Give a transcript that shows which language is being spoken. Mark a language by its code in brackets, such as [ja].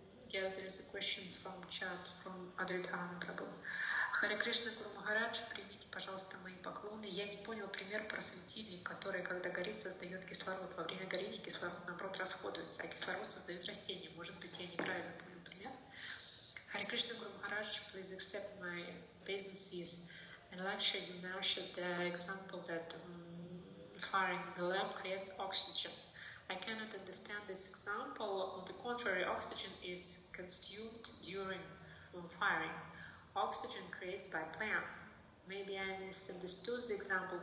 [en] Yeah, there is a question from chat from Adritana Prabhu. [ru] Харе Кришна Гуру Махарадж, примите, пожалуйста, мои поклоны. Я не понял пример про светильник, который, когда горит, создает кислород. Во время горения кислород, наоборот, расходуется, а кислород создает растение. Может быть, я неправильно понял пример? [en] Hare Krishna Guru Maharaj, please accept my businesses. In lecture, you mentioned the example that firing the lamp creates oxygen. I cannot understand this example. On the contrary, oxygen is consumed during firing. Oxygen creates by plants. Maybe I misunderstood the example.